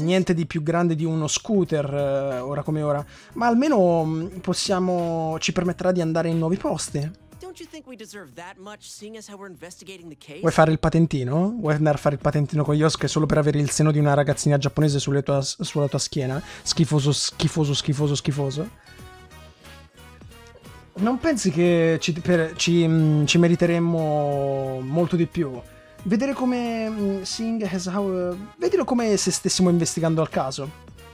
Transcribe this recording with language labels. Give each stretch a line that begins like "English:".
Italian: niente di più grande di uno scooter, ora come ora. Ma almeno ci permetterà di andare in nuovi posti.
English: Don't you think we deserve that much, seeing as how we're investigating the
Italian: Vuoi
English: case?
Italian: fare il patentino? Vuoi andare a fare il patentino con Yosuke solo per avere il seno di una ragazzina giapponese sulla tua schiena? Schifoso, schifoso, schifoso, schifoso. Non pensi che ci meriteremmo molto di più? Vedere come.
English: Seeing as how.
Italian: Vedilo come se stessimo investigando al caso.